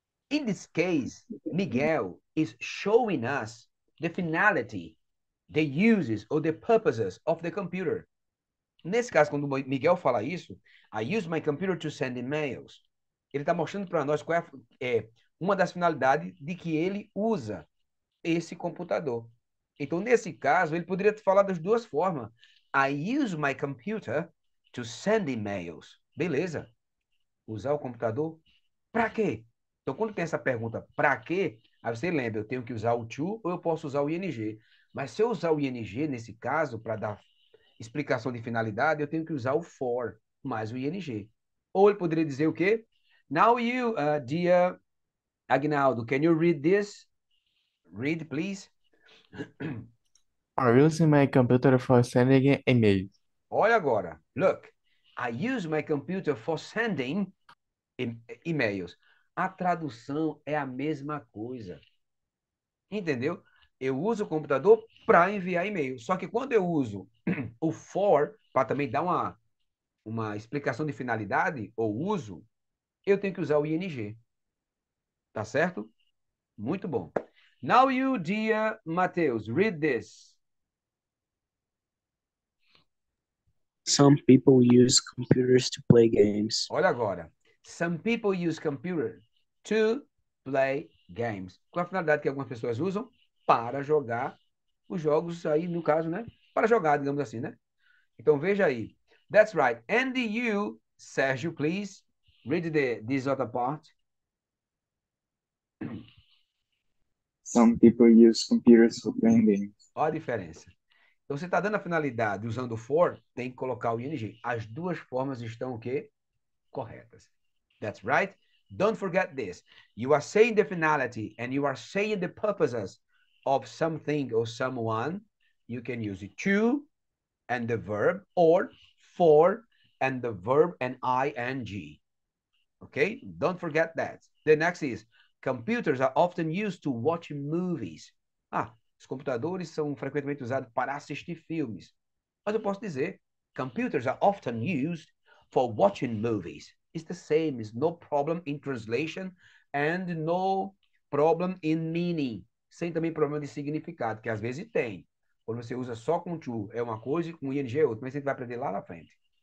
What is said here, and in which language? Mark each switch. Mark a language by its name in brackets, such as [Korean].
[English] In this case, Miguel is showing us the finality, the uses or the purposes of the computer. [Portuguese] Nesse caso, quando Miguel fala isso, [English] I use my computer to send emails. [Portuguese] Ele está mostrando para nós qual é uma das finalidades de que ele usa esse computador. Então, nesse caso, ele poderia falar das duas formas. [English] I use my computer to send emails. [Portuguese] Beleza. Usar o computador para quê? Então, quando tem essa pergunta para quê, aí você lembra, eu tenho que usar o to ou eu posso usar o ing. Mas se eu usar o ing nesse caso, para dar explicação de finalidade, eu tenho que usar o for mais o ing. Ou ele poderia dizer o quê? [English] Now you, dear Agnaldo, can you read this? Read, please. I'm using my computer for sending emails. [Portuguese] Olha agora. [English] Look. I use my computer for sending emails. [Portuguese] A tradução é a mesma coisa. Entendeu? Eu uso o computador para enviar e-mail. Só que quando eu uso o for, para também dar uma explicação de finalidade, ou uso, eu tenho que usar o ing. Tá certo? Muito bom. [English] Now you, dear Matheus, read this. Some people use computers to play games. [Portuguese] Olha agora. [English] Some people use computers to play games. [Portuguese] Qual a finalidade que algumas pessoas usam? Para jogar os jogos aí, no caso, né? Para jogar, digamos assim, né? Então, veja aí. [English] That's right. And you, Sérgio, please, read this other part. Some people use computers for playing games. [Portuguese] Olha a diferença. Então, você está dando a finalidade usando o for, tem que colocar o ing. As duas formas estão o quê? Corretas. [English] That's right. Don't forget this. You are saying the finality and you are saying the purposes of something or someone. You can use it to and the verb or for and the verb and ing. Okay? Don't forget that. The next is, computers are often used to watch movies. [Portuguese] Ah, os computadores são frequentemente usados para assistir filmes. Mas eu posso dizer, [English] computers are often used for watching movies. It's the same, it's no problem in translation and no problem in meaning. [Portuguese] Sem também problema de significado, que às vezes tem. Quando você usa só com to, é uma coisa, e com ing é outra. Mas a gente vai aprender lá na frente.